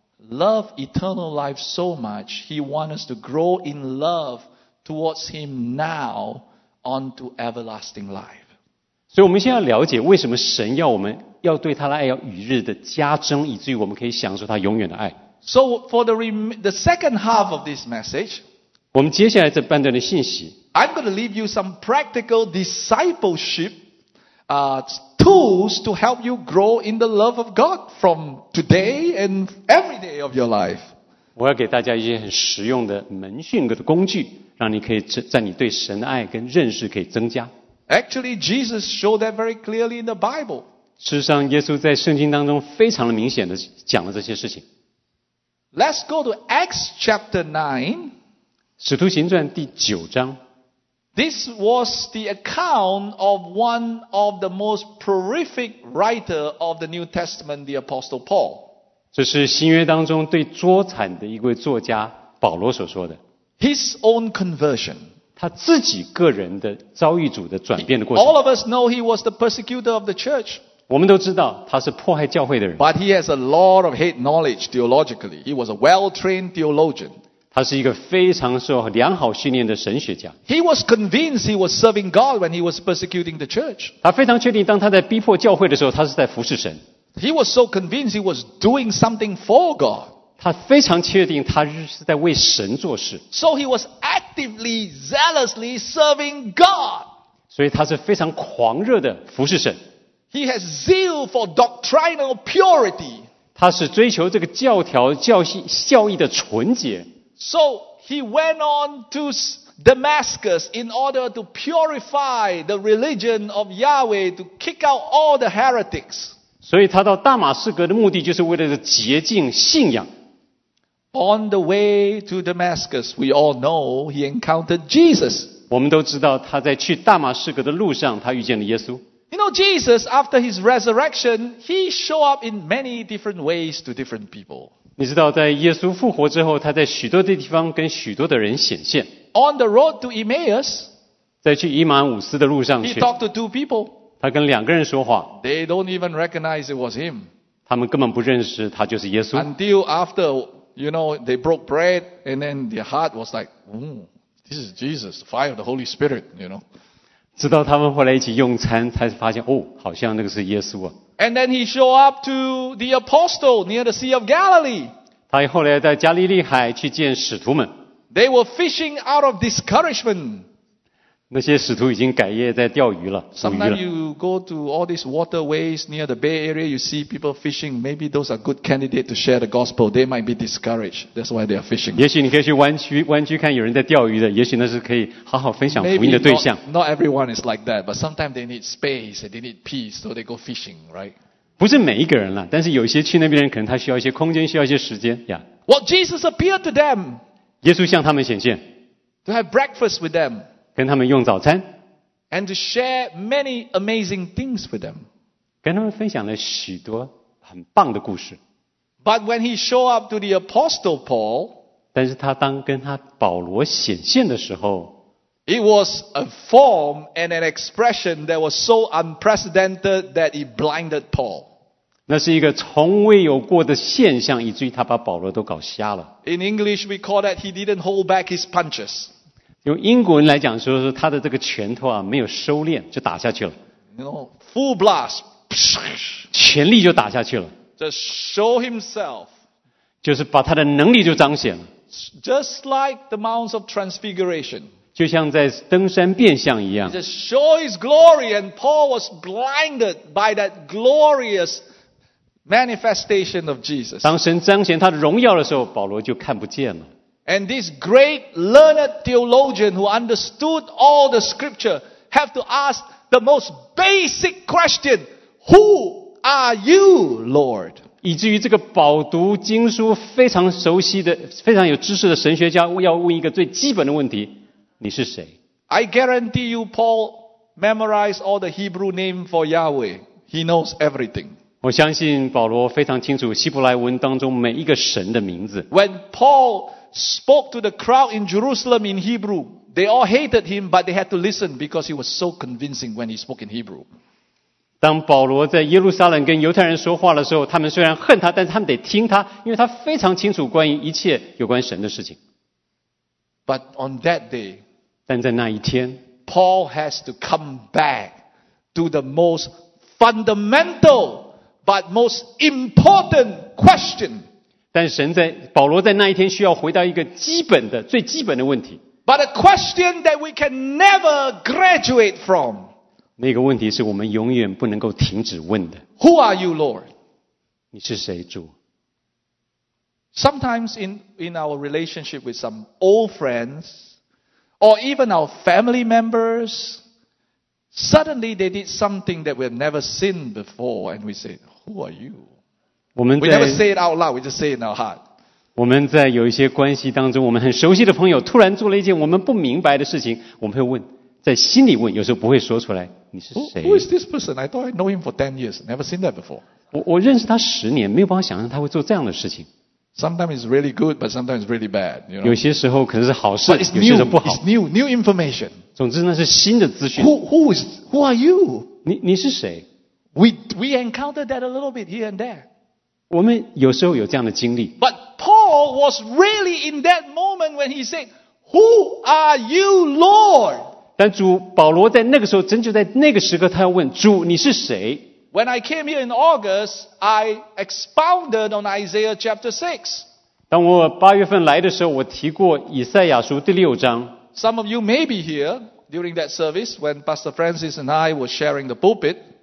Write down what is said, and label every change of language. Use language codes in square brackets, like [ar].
[en] Love eternal life so much, he wants us to grow in love towards him now onto everlasting life. [zh] 所以我们先要了解为什么神要我们要对他的爱要与日的加增，以至于我们可以享受他永远的爱。 [en] So for the second half of this message, [zh] 我们接下来这半段的信息， [en] I'm going to leave you some practical discipleshiptools to help you grow in the love of God from today and every day of your life. [zh] 我要给大家一些很实用的门训的工具，让你可以在你对神的爱跟认识可以增加。 [en] Actually, Jesus showed that very clearly in the Bible. [zh] 事实上，耶稣在圣经当中非常的明显的讲了这些事情。 [en] Let's go to Acts chapter 9. [zh] 使徒行传第九章。 [en] This was the account of one of the most prolific writer of the New Testament, the Apostle Paul. [zh] 这是新约当中最卓惨的一位作家保罗所说的 [en] His own conversion [zh] 他自己个人的遭遇主的转变的过程 [en] All of us know he was the persecutor of the church [zh] 我们都知道他是迫害教会的人 [en] But he has a lot of head knowledge theologically He was a well-trained theologian [zh] 他是一个非常受良好训练的神学家 [en] He was convinced he was serving God when he was persecuting the church [zh] 他非常确定当他在逼迫教会的时候他是在服侍神 [en] He was so convinced he was doing something for God. [zh] 他非常确定他是在为神做事。 [en] So he was actively, zealously serving God. [zh] 所以他是非常狂热的服侍神。 [en] He has zeal for doctrinal purity. [zh] 他是追求这个教条、教义的纯洁。 [en] So he went on to Damascus in order to purify the religion of Yahweh to kick out all the heretics. [zh] 所以他到大马士革的目的就是为了洁净信仰。 [en] On the way to Damascus, we all know he encountered Jesus. [zh] 我们都知道他在去大马士革的路上他遇见了耶稣。 [en] You know, Jesus, after his resurrection, he showed up in many different ways to different people. [zh] 你知道在耶稣复活之后他在许多的地方跟许多的人显现。 [en] On the road to Emmaus, [zh] 在去以马忤斯的路上去。 [en] He talked to two people. [zh] 他跟两个人说话 [en] They don't even recognize it was him. [zh] 他们根本不认识他就是耶稣 [en] Until after, you know, they broke bread and then their heart was like, this is Jesus, fire of the Holy Spirit, you know. [zh] 直到他们后来一起用餐才发现哦，好像那个是耶稣啊。 [en] And then he showed up to the apostle near the Sea of Galilee. [zh] 他后来在加利利海去见使徒们。 [en] They were fishing out of discouragement. [zh] 那些使徒已经改业在钓鱼了。 [en] Sometimes you go to all these waterways near the Bay Area, you see people fishing. Maybe those are good candidates to share the gospel. They might be discouraged. That's why they are fishing. [zh] 也许你可以去湾区看有人在钓鱼的，也许那是可以好好分享福音的对象。 [en] Maybe not everyone is like that, but sometimes they need space and they need peace, so they go fishing, right? [zh] 不是每一个人啦，但是有些去那边人可能他需要一些空间，需要一些时间。 [en] Yeah. Well, Jesus appeared to them. [zh] 耶稣向他们显现。 [en] To have breakfast with them. [zh] 跟他们用早餐 [en] and to share many amazing things with them. [zh] 跟他们分享了许多很棒的故事。 [en] But when he showed up to the apostle Paul, [zh] 但是他当跟他保罗显现的时候 [en] it was a form and an expression that was so unprecedented that it blinded Paul. [zh] 那是一个从未有过的现象以至于他把保罗都搞瞎了。 [en] In English, we call that he didn't hold back his punches. [zh] 用英国人来讲说是他的这个拳头啊没有收敛就打下去了。 [en] You know, full blast, [zh] 全力就打下去了。 [en] Just show himself. [zh] 就是把他的能力就彰显了。 [en] Just like the Mount of Transfiguration. [zh] 就像在登山变相一样。 [en] He just show his glory and Paul was blinded by that glorious manifestation of Jesus. [zh] 当神彰显他的荣耀的时候保罗就看不见了。 [en] And this great learned theologian who understood all the scripture have to ask the most basic question, Who are you, Lord? [zh] 以至于这个饱读经书非常熟悉的、非常有知识的神学家要问一个最基本的问题，你是谁？ [en] I guarantee you, Paul memorized all the Hebrew name for Yahweh. He knows everything. [zh] 我相信保罗非常清楚希伯来文当中每一个神的名字。 [en] When Paul spoke to the crowd in Jerusalem in Hebrew, they all hated him, but they had to listen because he was so convincing when he spoke in Hebrew. [zh] 当保罗在耶路撒冷跟犹太人说话的时候，他们虽然恨他，但是他们得听他，因为他非常清楚关于一切有关神的事情。 [en] But on that day, [zh] 但在那一天 [en] ，Paul has to come back to the most fundamental. But most important question. [zh] 但神在保罗在那一天需要回到一个基本的最基本的问题。 [en] But a question that we can never graduate from. [zh] 那个问题是我们永远不能够停止问的。 [en] Who are you, Lord? [zh] 你是谁，主？ [en] Sometimes in our relationship with some old friends, or even our family members, suddenly they did something that we have never seen before, and we say. Who are you? We never say it out loud. We just say it in our heart. [zh] 我们在有一些关系当中，我们很熟悉的朋友突然做了一件我们不明白的事情，我们会问，在心里问，有时候不会说出来。你是谁 [en] ？Who is this person? I thought I know him for 10 years. Never seen that before. [zh] 我认识他十年，没有办法想象他会做这样的事情。 [en] Sometimes it's really good, but sometimes it's really bad. You know? [zh] 有些时候可能是好事，有些时候不好。 [en] It's new, new information. [zh] 总之那是新的资讯。 [en] Who are you? [zh] 你是谁？ [en] We encountered that a little bit here and there. [zh] 我们有时候有这样的经历。 [en] But Paul was really in that moment when he said, "Who are you, Lord?" [zh] 但主保罗在那个时候，真就在那个时刻，他要问主，你是谁？ [en] When I came here in August, I expounded on Isaiah chapter 6. [zh] 当我八月份来的时候，我提过以赛亚书第六章。 [en] Some of you may be here during that service when Pastor Francis and I were sharing the pulpit.